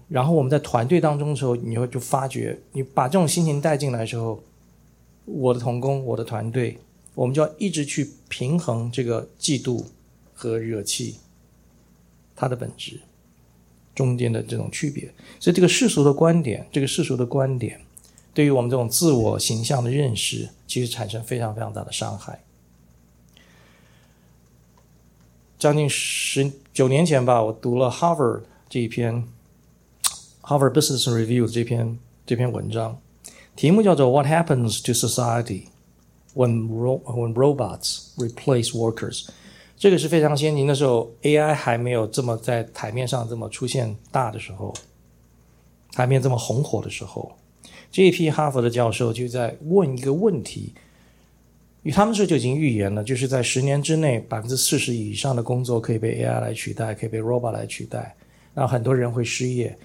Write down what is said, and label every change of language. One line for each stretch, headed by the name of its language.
Chinese: 然后我们在团队当中的时候，你会就发觉，你把这种心情带进来的时候，我的同工、我的团队，我们就要一直去平衡这个嫉妒和热气。它的本质中间的这种区别，所以这个世俗的观点对于我们这种自我形象的认识其实产生非常非常大的伤害。将近19年前吧，我读了 Harvard 这一篇 Harvard Business Review 这篇文章，题目叫做
English: What happens to society when robots replace workers。
Chinese: 这个是非常先进，那时候 AI 还没有这么在台面上这么出现大的时候，还没有这么红火的时候，这一批哈佛的教授就在问一个问题，与他们说就已经预言了，就是在十年之内 40% 以上的工作可以被 AI 来取代，可以被 robot 来取代，那很多人会失业。